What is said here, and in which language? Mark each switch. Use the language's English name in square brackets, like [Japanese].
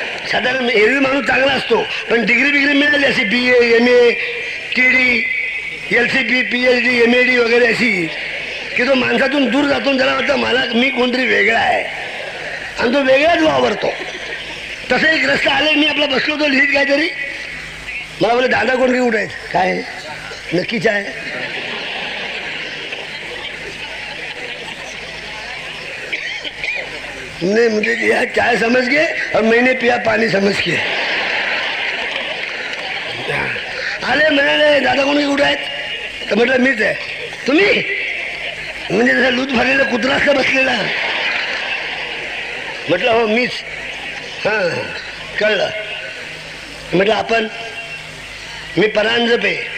[Marathi] साधारण एरवी माणूस चांगला असतो पण डिग्री बिग्री मिळाली अशी बी A M A T D L C B P H D M A D वगैरे अशी की तो माणसातून दूर जातो जरा वाटतं मला मी कोणतरी वेगळा आहे आणि तो वेगळाच वावरतो. तसं एक रस्ता आले मी आपला बसलो होतो लिहित काहीतरी, मला बोले दादा कोण की उठायचं काय नक्कीच आहे. [Hindi] तुमने मुझे दिया चाय समझ के और मैंने पिया पानी समझ के. [Marathi] अरे मैंने दादा कोणी उठाय तर म्हटलं मीच आहे. तुम्ही म्हणजे जसं लूज भरलेलं कुत्रा असतं बसलेला, म्हटलं हो मीच. हां कळलं, म्हटलं आपण, मी परांजपे.